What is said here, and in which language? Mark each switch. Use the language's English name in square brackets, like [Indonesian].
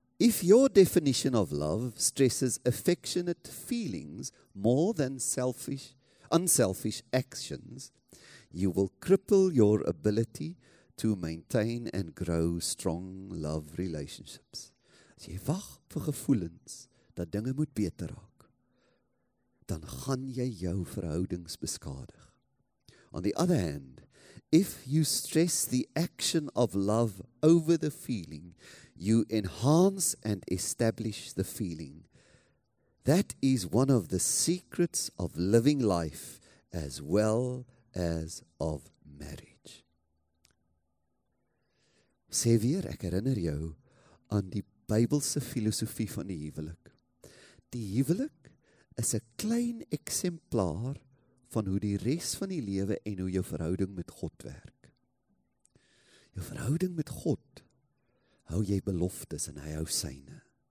[English] If your definition of love stresses affectionate feelings more than selfish, unselfish actions, you will cripple your ability to maintain and grow strong love relationships. [Afrikaans] As jy wag vir gevoelens dat dinge moet beter raak, dan gaan jy jou verhoudings beskadig. [English] On the other hand, if you stress the action of love over the feeling, you enhance and establish the feeling. That is one of the secrets of living life as well as of marriage. [Afrikaans] Sê weer, ek herinner jou aan die Bybelse filosofie van die huwelik. Die huwelik is 'n klein eksemplaar van hoe die res van die lewe en hoe jou verhouding met God werk. Jou verhouding met God, hou jy beloftes en hy hou syne.